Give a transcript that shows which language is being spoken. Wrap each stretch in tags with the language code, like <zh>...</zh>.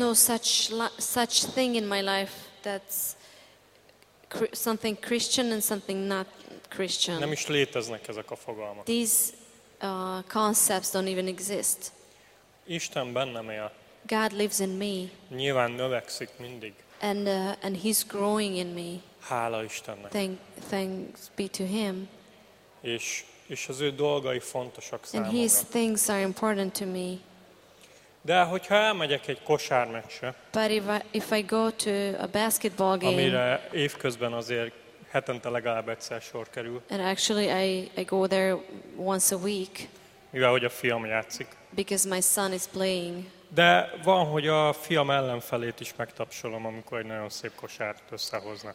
<en>There's no such thing in my life that's something Christian and something not Christian.</en> <hu>Nem is léteznek ezek a fogalmak.</hu> <en>These concepts don't even exist.</en> <hu>Isten bennem él.</hu> <en>God lives in me.</en> <hu>Nyilván növekszik mindig.</hu> <en>And he's growing in me.</en> <hu>Hála Istennek.</hu> <en>Thanks be to him.</en> <hu>És az ő dolgai fontosak számomra.</hu> <en>And his things are important to me.</en> <hu>De hogyha elmegyek egy kosármeccsre,</hu> <en>but if I go to a basketball game,</en> <hu>amire évközben azért hetente legalább egyszer sor kerül,</hu> <en>and actually I go there once a week,</en> <hu>mivel hogy a fiam játszik,</hu> <en>because my son is playing.</en> <hu>De van, hogy a fiam ellenfelét is megtapsolom, amikor egy nagyon szép kosárt összehoznak.</hu>